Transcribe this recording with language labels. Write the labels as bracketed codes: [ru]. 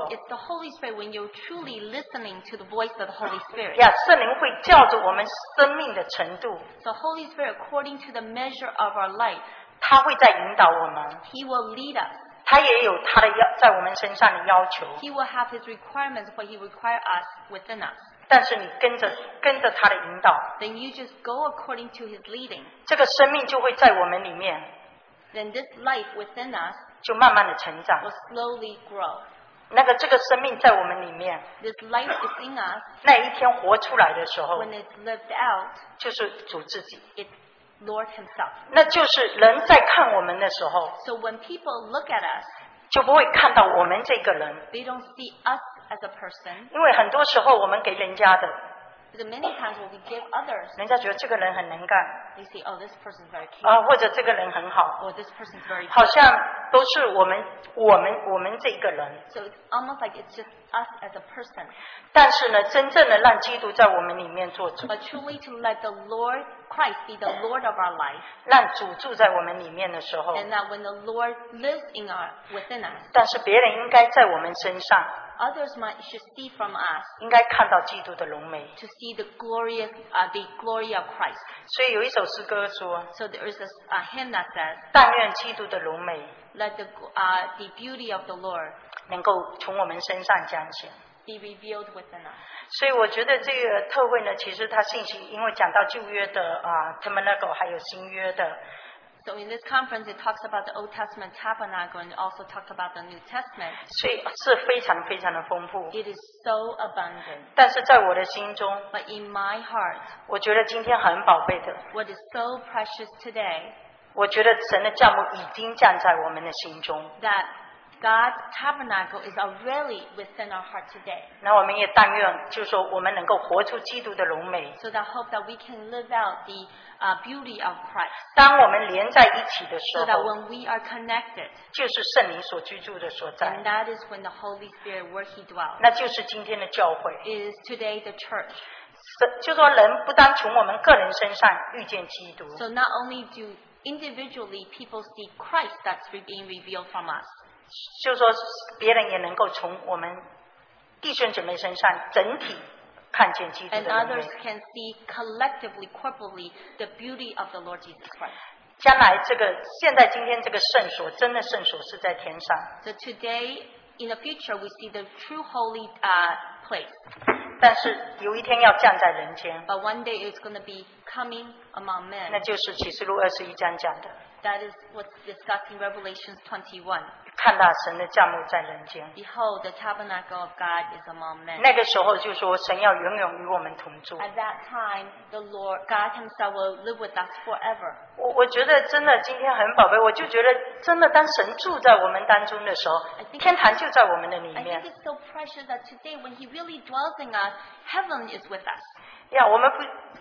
[en] it's the Holy Spirit when you're truly listening to the voice of the Holy Spirit. [zh] 圣灵会照着我们生命的程度。 [en] So Holy Spirit, according to the measure of our life, [zh] 祂会在引导我们。 [en] He will lead us. [zh] 祂也有祂的要在我们身上的要求。 [en] He will have his requirements what he requires us within us. [zh] 但是你跟着祂的引导。 [en] Then you just go according to his leading. [zh] 这个生命就会在我们里面。 [en] Then this life within us [zh] 就慢慢的成长, [en] will slowly grow. [zh] 那个这个生命在我们里面, [en] this life within us [zh] 那一天活出来的时候, [en] when it's lived out [zh] 就是主自己, [en] it's Lord himself. [zh] 那就是人在看我们的时候, [en] so when people look at us [zh] 就不会看到我们这个人, [en] they don't see us as a person. [zh] 因为很多时候我们给人家的, [en] because many times when we give others, [zh] 人家觉得这个人很能干, [en] they say, oh, this person is very capable. [zh] 或者这个人很好, [en] or this person is very capable. [zh] 好像都是我们这一个人。 [en] So it's almost like it's just us as a person. [zh] 但是呢，真正的让基督在我们里面做主。 [en] But truly to let the Lord Christ be the Lord of our life. [zh] 让主住在我们里面的时候, [en] and that when the Lord lives in our, within us. [zh] 但是别人应该在我们身上, [en] others might should see from us. [zh] 应该看到基督的荣美, [en] to see the glorious, the glory of Christ. [zh] 所以有一首诗歌说, [en] so there is a hymn that says, [zh] 但愿基督的荣美, [en] let the beauty of the Lord [zh] 能够从我们身上彰显, [en] be revealed within us. [zh] 所以我觉得这个特会呢，其实它信息，因为讲到旧约的啊，Tabernacle，还有新约的。 [en] So in this conference, it talks about the Old Testament tabernacle and also talks about the New Testament. [zh] 所以是非常非常的丰富。 [en] It is so abundant. [zh] 但是在我的心中, [en] but in my heart, [zh] 我觉得今天很宝贝的, [en] what is so precious today, [zh] 我觉得神的帐幕已经站在我们的心中, [en] that God's tabernacle is already within our heart today. [zh] 那我们也但愿就是说我们能够活出基督的荣美。 [en] So that hope that we can live out the beauty of Christ. [zh] 当我们连在一起的时候, [en] so that when we are connected, [zh] 就是圣灵所居住的所在, [en] and that is when the Holy Spirit where he dwells. [zh] 那就是今天的教会, [en] is today the church. [zh] 就说人不单从我们个人身上遇见基督, [en] so not only do individually people see Christ that's being revealed from us, [zh] 就说别人也能够从我们弟兄姐妹身上整体看见基督的荣美。 [en] And others can see collectively, corporately, the beauty of the Lord Jesus Christ. [zh] 将来这个现在今天这个圣所, 真的圣所是在天上。 [en] So today, in the future, we see the true holy place. [zh] 但是有一天要降在人间。 [en] But one day it's going to be coming among men. [zh] 那就是启示录21章讲的。 [en] That is what's discussed in Revelation 21. [zh] 看到神的帐幕在人间, [en] behold, the tabernacle of God is among men. [zh] 那个时候就说神要永远与我们同住。 [en] At that time, the Lord, God himself will live with us forever. [zh] 我觉得真的今天很宝贝,我就觉得真的当神住在我们当中的时候, 天堂就在我们的里面。 [en] I think it's so precious that today when he really dwells in us, heaven is with us.